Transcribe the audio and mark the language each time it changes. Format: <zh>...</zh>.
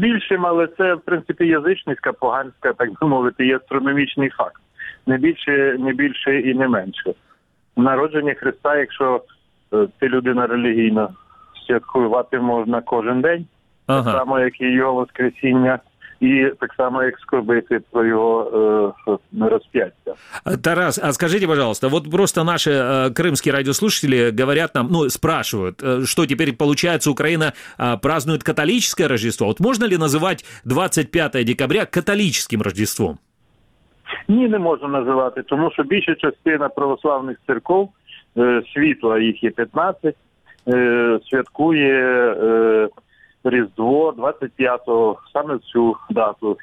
<uk>Більшим, але це, в принципі, язичницька, поганська, так би мовити, є астрономічний факт. Не більше і не менше. народження Христа, якщо ти людина релігійна, святкувати можна кожен день, так само, як і його воскресіння. І так само, як скорбити про його розп'яття.</uk> <ru>Тарас, а скажите, пожалуйста, вот просто наши крымские радиослушатели говорят нам, ну, спрашивают, что теперь получается, Украина празднует католическое Рождество. Вот можно ли называть 25 декабря католическим Рождеством?</ru> <uk>Ні, не можна називати, тому що більша частина православних церков світу, а їх є 15, святкує Різдво 25-го, саме цю дату.</uk>